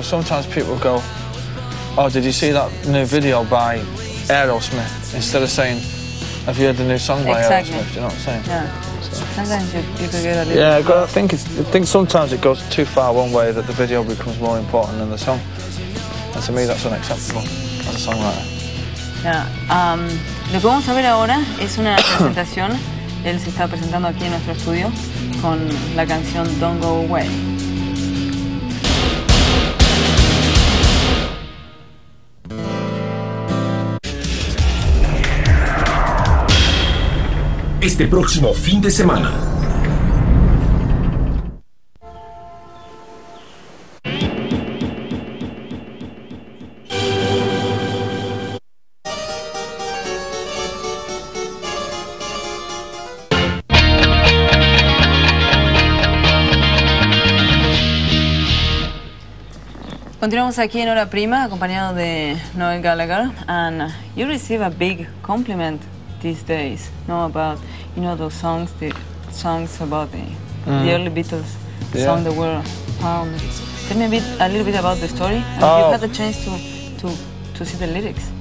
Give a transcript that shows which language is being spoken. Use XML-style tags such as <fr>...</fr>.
<en>Sometimes people go, oh, did you see that new video by Aerosmith, instead of saying, have you heard the new song by Aerosmith? Do you know what I'm saying? Sometimes you could get a little... Yeah, I think sometimes it goes too far one way, that the video becomes more important than the song. And to me, that's unacceptable as a songwriter. Yeah.</en> <es>Lo que vamos a ver ahora es una presentación. Él se está presentando aquí en nuestro estudio con la canción Don't Go Away. Este próximo fin de semana. Continuamos aquí en Hora Prima, acompañado de Noel Gallagher.</es> <en>And you receive a big compliment these days, about, those songs, the songs about the early Beatles, the song that were found. Tell me a little bit about the story. Have you had the chance to see the lyrics?</en>